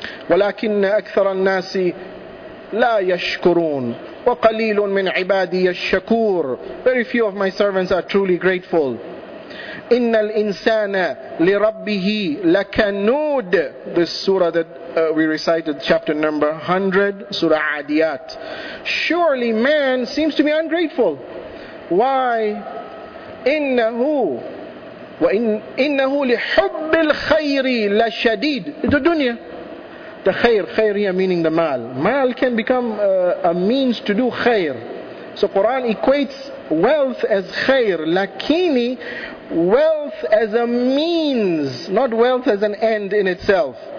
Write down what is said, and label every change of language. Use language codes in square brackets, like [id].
[ar] ولكن أكثر الناس لا يشكرون وقليل من عبادي الشكور. [en] Very few of my servants are truly grateful. [ar] إن الإنسان لربه لكنود. [en] This surah that we recited, chapter number 100, Surah Adiyat. Surely man seems to be ungrateful. Why? [ar] إنه وإن إنه لحب الخير لشديد. [en] The dunya. The khair, khair here meaning the mal. Mal can become a means to do khair. So Quran equates wealth as khair. Lakini, wealth as a means, not wealth as an end in itself.